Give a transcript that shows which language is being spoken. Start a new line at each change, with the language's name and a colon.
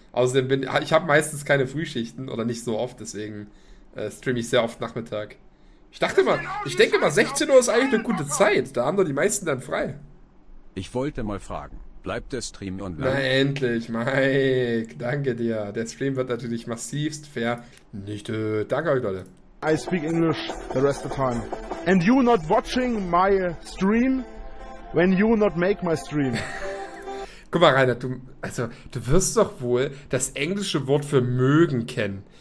German: Außerdem ich habe meistens keine Frühschichten oder nicht so oft, deswegen streame ich sehr oft Nachmittag. Ich dachte mal, ich denke mal, 16 Uhr ist eigentlich eine gute Zeit. Da haben doch die meisten dann frei. Ich wollte mal fragen, bleibt der Stream online? Na endlich, Mike. Danke dir. Der Stream wird natürlich massivst vernichtet. Danke euch, Leute.
English: I speak English the rest of the time. And you not watching my stream, when you not make my stream.
German: Guck mal, Rainer, du wirst doch wohl das englische Wort für mögen kennen.